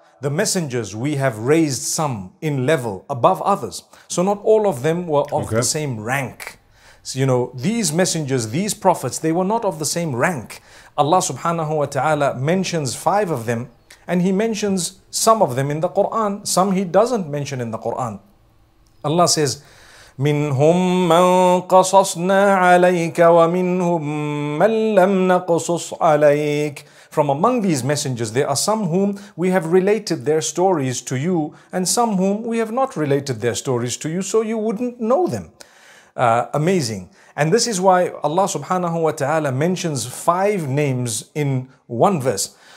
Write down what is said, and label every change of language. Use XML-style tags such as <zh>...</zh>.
<en>The messengers, we have raised some in level above others. So not all of them were of the same rank. So, you know, these messengers, these prophets, they were not of the same rank. Allah subhanahu wa ta'ala mentions five of them, and he mentions some of them in the Quran, some he doesn't mention in the Quran. Allah says,</en> <ar>مِنْهُمْ مَنْ قَصَصْنَا عَلَيْكَ وَمِنْهُمْ مَنْ لَمْ نَقْصُصْ عَلَيْكَ.</ar> <en>From among these messengers, there are some whom we have related their stories to you, and some whom we have not related their stories to you, so you wouldn't know them. Amazing. And this is why Allah subhanahu wa ta'ala mentions five names in one verse.</en>